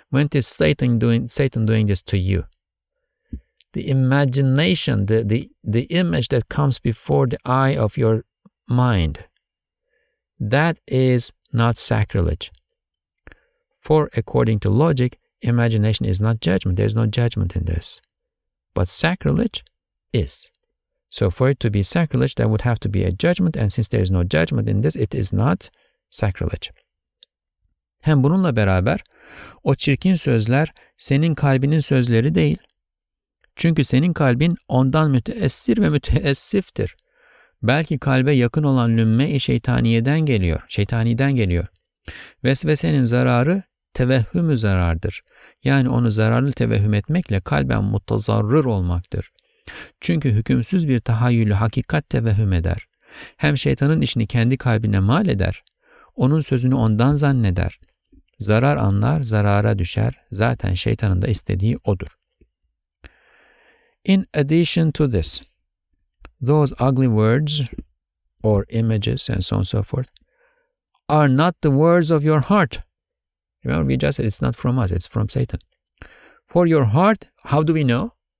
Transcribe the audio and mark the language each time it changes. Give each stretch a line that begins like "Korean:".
English: When is Satan doing this to you? The imagination, the image that comes before the eye of your mind, that is not sacrilege. For according to logic, imagination is not judgment. There is no judgment in this. But sacrilege is. So for it to be sacrilege, there would have to be a judgment. And since there is no judgment in this, it is not sacrilege.
Turkish: Hem bununla beraber o çirkin sözler senin kalbinin sözleri değil. Çünkü senin kalbin ondan müteessir ve müteessiftir. Belki kalbe yakın olan lümme-i şeytaniyeden geliyor. Şeytaniden geliyor. Vesvesenin zararı tevehhümü zarardır. Yani onu zararlı tevehhüm etmekle kalben mutazarrır olmaktır. Çünkü hükümsüz bir tahayyülü hakikat tevehhüm eder. Hem şeytanın işini kendi kalbine mal eder. Onun sözünü ondan zanneder. Zarar anlar, zarara düşer. Zaten şeytanın da istediği odur.
English: In addition to this, those ugly words or images and so on and so forth are not the words of your heart. Remember, we just said it's not from us, it's from Satan. For your heart, how do we know?